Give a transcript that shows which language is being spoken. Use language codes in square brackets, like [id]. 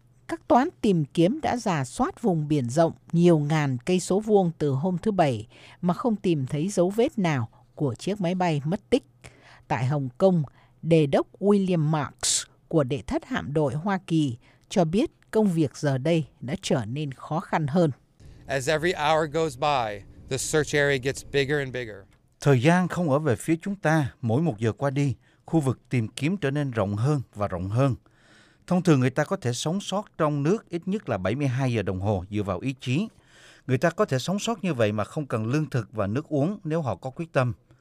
[vi] Các toán tìm kiếm đã rà soát vùng biển rộng nhiều ngàn cây số vuông từ hôm thứ Bảy mà không tìm thấy dấu vết nào của chiếc máy bay mất tích. Tại Hồng Kông, Đề đốc William Marks của Đệ thất Hạm đội Hoa Kỳ cho biết công việc giờ đây đã trở nên khó khăn hơn. [en] As every hour goes by, the search area gets bigger and bigger. [vi] Thời gian không ở về phía chúng ta, mỗi một giờ qua đi, khu vực tìm kiếm trở nên rộng hơn và rộng hơn. Thông thường người ta có thể sống sót trong nước ít nhất là 72 giờ đồng hồ dựa vào ý chí. Người ta có thể sống sót như vậy mà không cần lương thực và nước uống nếu họ có quyết tâm.